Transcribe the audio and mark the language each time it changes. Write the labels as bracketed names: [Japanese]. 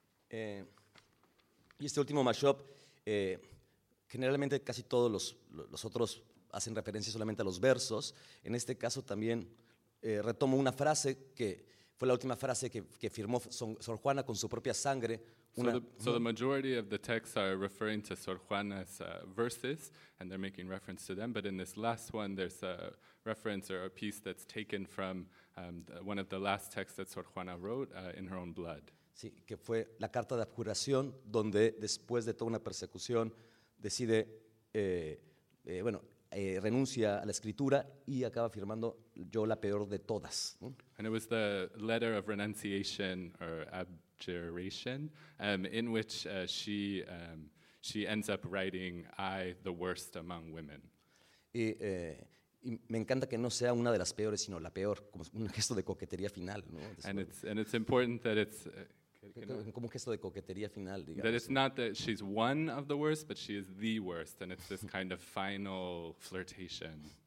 [Spanish] Y este último mashup, generalmente casi todos los otros hacen referencia solamente a los versos. En este caso también retomo una frase que fue la última frase que firmó Sor Juana con su propia sangre. [English] So the majority of the texts are referring to Sor Juana's verses, and they're making reference to them. But in this last one, there's a reference or a piece that's taken from one of the last texts that Sor Juana wrote in her own blood. [Spanish] Sí, que fue la carta de abjuración, donde después de toda una persecución decide, renuncia a la escritura y acaba firmando yo la peor de todas. [English] And it was the letter of renunciation or abjuration in which she ends up writing I, the worst among women. [Spanish] Y me encanta que no sea una de las peores, sino la peor, como un gesto de coquetería final. ¿No? [English] And it's important that it's [Spanish] como un gesto de coquetería final, digamos. [English] That it's not that she's one of the worst, but she is the worst, and it's this kind of final flirtation.